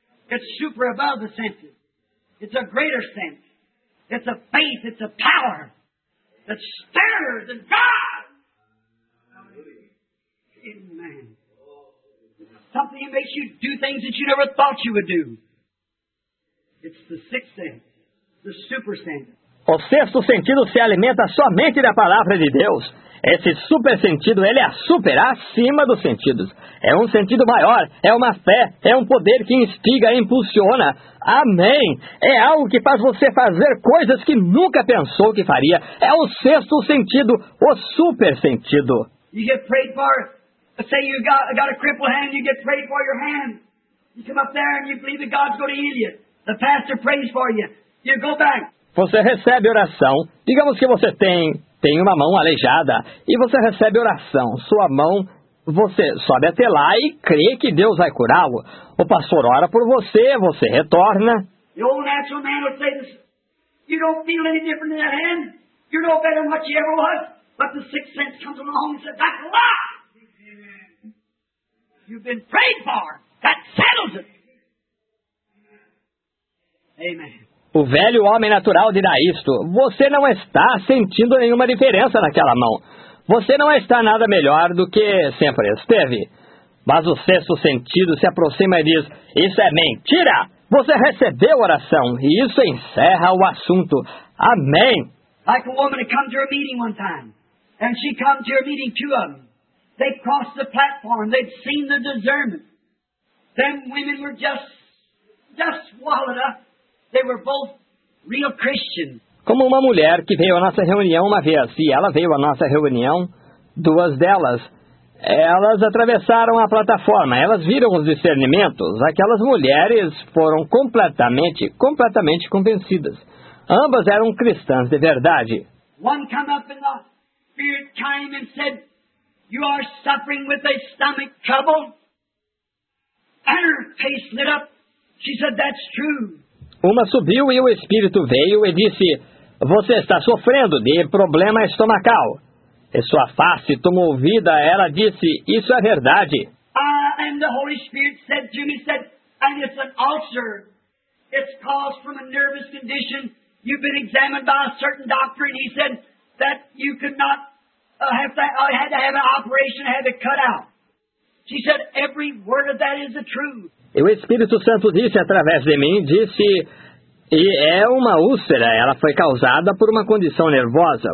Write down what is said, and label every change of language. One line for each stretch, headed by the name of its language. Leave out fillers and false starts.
English: It's super above the senses. It's a greater sense. It's a faith. It's a power that stirs in God. Amen. Something that makes you do things that you never thought you would do. It's the sixth sense, the super sense.
Portuguese: O sexto sentido se alimenta somente da palavra de Deus. Esse super sentido, ele é super acima dos sentidos. É um sentido maior, é uma fé, é um poder que instiga e impulsiona. Amém! É algo que faz você fazer coisas que nunca pensou que faria. É o sexto sentido, o super sentido.
English: You get prayed for, say you got a crippled hand, you get prayed for your hand. You come up there and you believe that God's going to heal you. The pastor prays for you. You go back.
Portuguese: Você recebe oração. Digamos que você tem uma mão aleijada. E você recebe oração. Sua mão, você sobe até lá e crê que Deus vai curá-lo. O pastor ora por você, você retorna.
English: The old natural man would say this: "You don't feel any different in that hand. You're no better than what you ever was. But the sixth sense comes along and says, that's a lie. You've been prayed for. That settles it. Amen.
Portuguese: O velho homem natural dirá isto: você não está sentindo nenhuma diferença naquela mão. Você não está nada melhor do que sempre esteve. Mas o sexto sentido se aproxima e diz: isso é mentira! Você recebeu a oração e isso encerra o assunto. Amém!
English: Like a woman who comes to a meeting one time, and she comes to a meeting two of them. They crossed the platform, they'd seen the discernment. Them women were just swallowed up. They were both real Christians.
Portuguese: Como uma mulher que veio à nossa reunião uma vez, e ela veio à nossa reunião, duas delas, elas atravessaram a plataforma, elas viram os discernimentos, aquelas mulheres foram completamente, completamente convencidas. Ambas eram cristãs de verdade.
English: One came up in the spirit time and said, you are suffering with a stomach trouble. And her face lit up. She said, that's true.
Portuguese: Uma subiu e o espírito veio e disse: você está sofrendo de problema estomacal. E sua face tomou vida, ela disse: isso é verdade.
English: And the Holy Spirit said to me, said, and it's an ulcer. It's caused from a nervous condition. You've been examined by a certain doctor, and he said that you could not had to have an operation, had to cut out. She said, every word of that is the truth.
Portuguese: E o Espírito Santo disse através de mim, disse, e é uma úlcera, ela foi causada por uma condição nervosa.